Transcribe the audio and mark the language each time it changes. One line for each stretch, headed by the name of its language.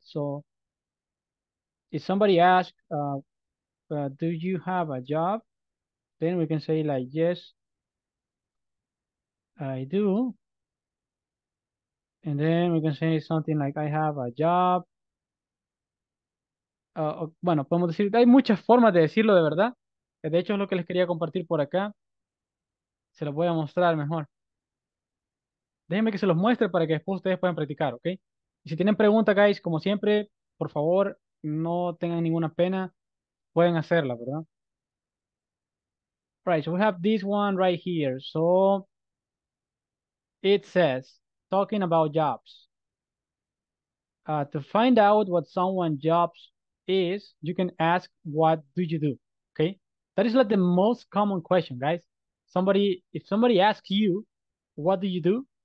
English: So, if somebody asks, do you have a job? Then we can say like, yes, I do. And then we can say something like, I have a job.
Spanish: Bueno, podemos decir, hay muchas formas de decirlo de verdad. De hecho, es lo que les quería compartir por acá. Se los voy a mostrar mejor. Déjenme que se los muestre para que después ustedes puedan practicar, ¿ok? Y si tienen preguntas, guys, como siempre, por favor, no tengan ninguna pena. Pueden hacerla, ¿verdad?
English: Right, so we have this one right here. So it says, talking about jobs. To find out what someone's jobs is, you can ask, what do you do? Okay, that is like the most common question, guys. If somebody asks you, what do you do?